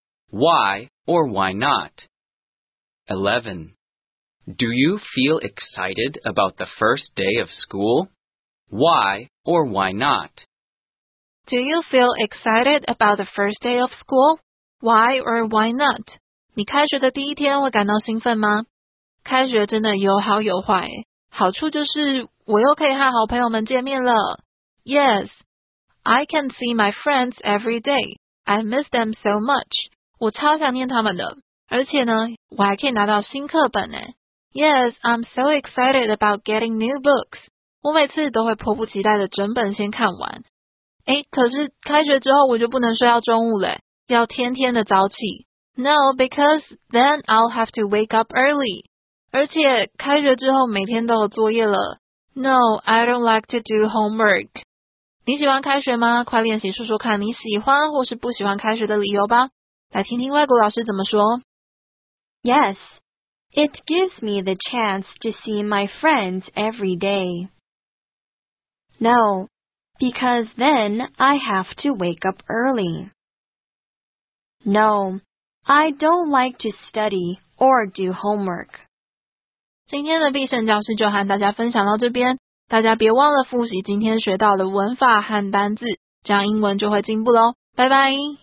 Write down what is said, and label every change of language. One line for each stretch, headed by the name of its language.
English: Why or why not? 11. Do you feel excited about the first day of school? Why or why not? Do you feel excited about the first day of school? Why or why not?
Chinese: 你开学的第一天会感到兴奋吗？开学真的有好有坏。好处就是我又可以和好朋友们见面了。
English: Yes, I can see my friends every day. I miss them so much.
Chinese: 我超想念他们的。而且呢，我还可以拿到新课本耶。
English: Yes, I'm so excited about getting new books.
Chinese: 我每次都会迫不及待的整本先看完。诶，可是开学之后我就不能睡到中午嘞，要天天的早起。
English: No, because then I'll have to wake up early.
Chinese: 而且开学之后每天都有作业了。
English: No, I don't like to do homework.
Chinese: 你喜欢开学吗？快练习说说看你喜欢或是不喜欢开学的理由吧。来听听外国老师怎么说。
English: Yes, it gives me the chance to see my friends every day. No. Because then I have to wake up early. No, I don't like to study or do homework.
Chinese: 今天的必胜教室就和大家分享到这边，大家别忘了复习今天学到的文法和单字，这样英文就会进步咯。拜拜。